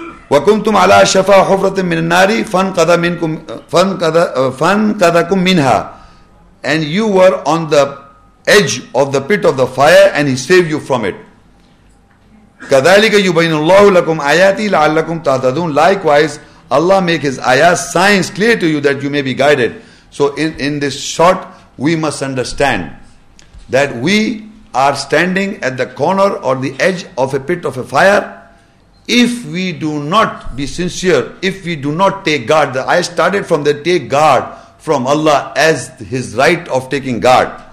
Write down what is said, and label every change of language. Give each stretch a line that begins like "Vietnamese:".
Arabic: وكنتم على شفا حفرة من النار فانقذ منكم فانقذكم منها.
English: And you were on the edge of the pit of the fire and he saved you from it.
Arabic: كذلك يبين الله لكم آياتي لعلكم تهتدون.
English: Likewise, Allah make his ayahs, signs clear to you that you may be guided. So in this short, we must understand that we are standing at the corner or the edge of a pit of a fire. If we do not be sincere, if we do not take guard, the ayah started from the take guard from Allah as his right of taking guard.